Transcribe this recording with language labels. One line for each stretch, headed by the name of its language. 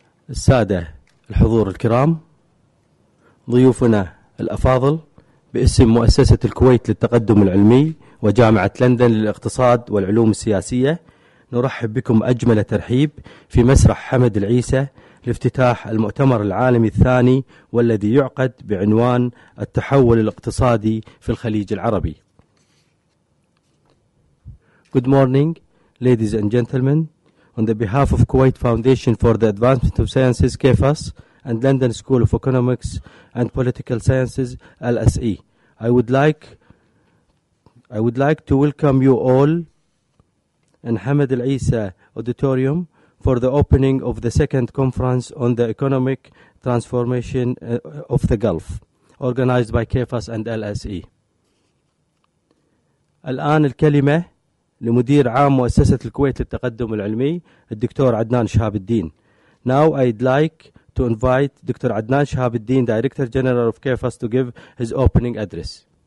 Arabic: السادة الحضور الكرام، ضيوفنا الأفاضل باسم مؤسسة الكويت للتقدم العلمي وجامعة لندن للاقتصاد والعلوم السياسية، نرحب بكم أجمل ترحيب في مسرح حمد العيسى لافتتاح المؤتمر العالمي الثاني والذي يعقد بعنوان التحول الاقتصادي في الخليج العربي.
English: Good morning, ladies and gentlemen. On the behalf of Kuwait Foundation for the Advancement of Sciences, KFAS, and London School of Economics and Political Sciences, LSE, I would like to welcome you all in Hamad al-Isa Auditorium for the opening of the second conference on the economic transformation of the Gulf, organized by KFAS and LSE.
Arabic: الآن الكلمة لمدير عام مؤسسة الكويت للتقدم العلمي الدكتور عدنان شهاب الدين.
English: Now I'd like to invite Dr. Adnan Shahab al-Din, Director General of KFAS, to give his opening address.